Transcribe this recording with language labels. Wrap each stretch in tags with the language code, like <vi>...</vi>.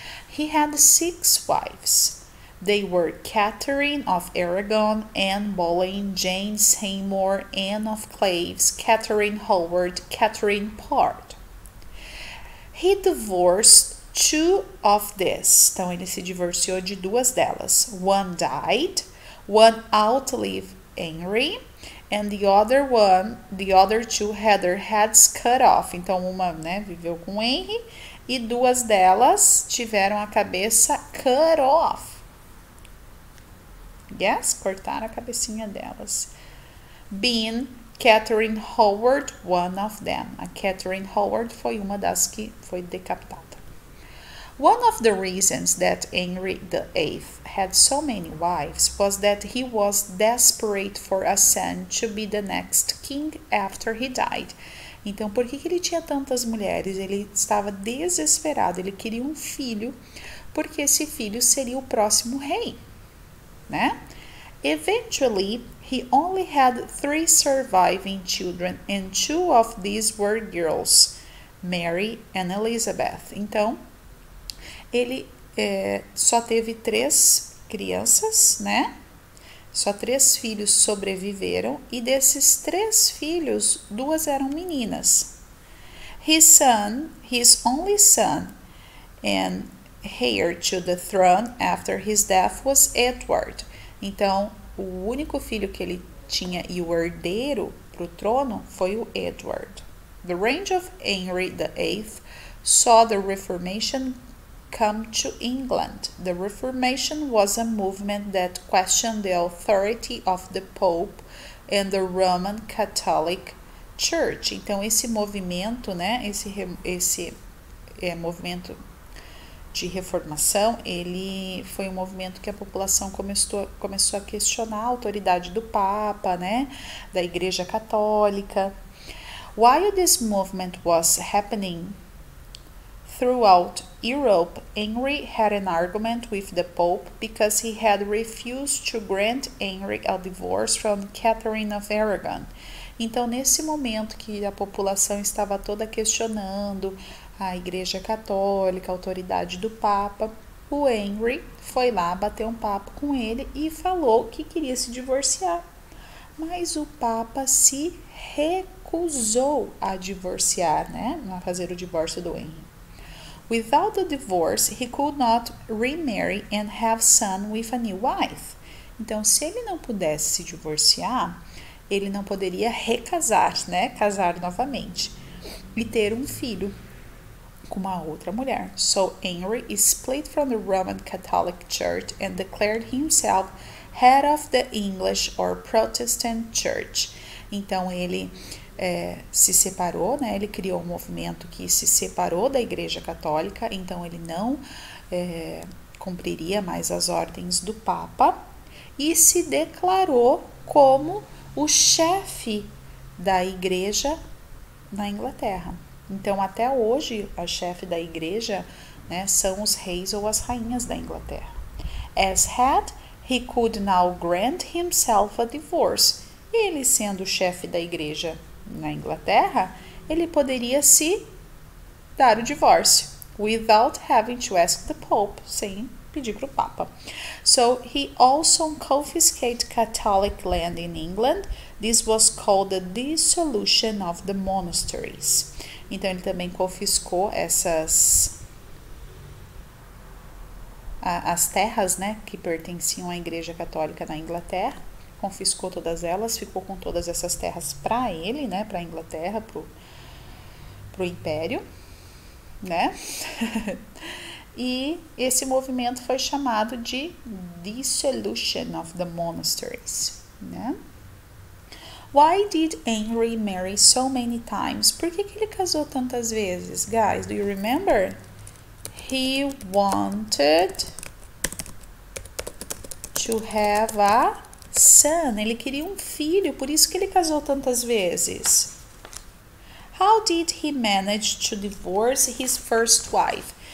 <en>He had 6 wives. They were Catherine of Aragon, Anne Boleyn, Jane Seymour, Anne of Cleves, Catherine Howard, Catherine Parr. He divorced 2 of these.</en> <pt>Então ele se divorciou de 2 delas.</pt> <en>One died, one outlived Henry, and the other two had their heads cut off.</en> <pt>Então uma, né, viveu com Henry e 2 delas tiveram a cabeça</pt> <en>cut off. Yes,</en> <pt>cortaram a cabecinha delas.</pt> <en>Being Catherine Howard, one of them.</en> <pt>A Catherine Howard foi uma das que foi decapitada.</pt> <en>One of the reasons that Henry the VIII had so many wives was that he was desperate for a son to be the next king after he died.</en> <pt>Então, por que ele tinha tantas mulheres? Ele estava desesperado, ele queria um filho, porque esse filho seria o próximo rei. Né?</pt> <en>Eventually, he only had 3 surviving children, and 2 of these were girls, Mary and Elizabeth.</en> <pt>Então, ele só teve 3 crianças, né? Só 3 filhos sobreviveram, e desses 3 filhos, 2 eram meninas.</pt> <en>His only son, and heir to the throne after his death was Edward.</en> <pt>Então, o único filho que ele tinha e o herdeiro para o trono foi o Edward.</pt> <en>The reign of Henry the VIII saw the Reformation come to England. The Reformation was a movement that questioned the authority of the Pope and the Roman Catholic Church.</en> <pt>Então, esse movimento, né, esse movimento de reformação, ele foi um movimento que a população começou a questionar a autoridade do Papa, né, da Igreja Católica.</pt> <en>While this movement was happening throughout Europe, Henry had an argument with the Pope because he had refused to grant Henry a divorce from Catherine of Aragon.</en> <pt>Então, nesse momento que a população estava toda questionando a Igreja Católica, a autoridade do Papa, o Henry foi lá bater um papo com ele e falou que queria se divorciar. Mas o Papa se recusou a divorciar, né? A fazer o divórcio do Henry.</pt> <en>Without the divorce, he could not remarry and have son with a new wife.</en> <pt>Então, se ele não pudesse se divorciar, ele não poderia recasar, né? Casar novamente e ter um filho com uma outra mulher.</pt> <en>So Henry is split from the Roman Catholic Church and declared himself head of the English or Protestant Church.</en> <pt>Então ele se separou, né? Ele criou um movimento que se separou da Igreja Católica, então ele não cumpriria mais as ordens do Papa e se declarou como o chefe da igreja na Inglaterra. Então, até hoje, a chefe da igreja, né, são os reis ou as rainhas da Inglaterra.</pt> <en>As head, he could now grant himself a divorce.</en> <pt>Ele sendo chefe da igreja na Inglaterra, ele poderia se dar o divórcio</pt> <en>without having to ask the Pope,</en> <pt>sem pedir para o Papa.</pt> <en>So he also confiscated Catholic land in England. This was called the dissolution of the monasteries.</en> <pt>Então ele também confiscou as terras, né, que pertenciam à Igreja Católica na Inglaterra. Confiscou todas elas, ficou com todas essas terras para ele, né, para a Inglaterra, para o Império, né? E esse movimento foi chamado de Dissolution of the Monasteries, né?</pt> <en>Why did Henry marry so many times?</en> <pt>Por que que ele casou tantas vezes?</pt> <en>Guys, do you remember? He wanted to have a son.</en> <pt>Ele queria um filho, por isso que ele casou tantas vezes.</pt> <en>How did he manage to divorce his first wife?</en>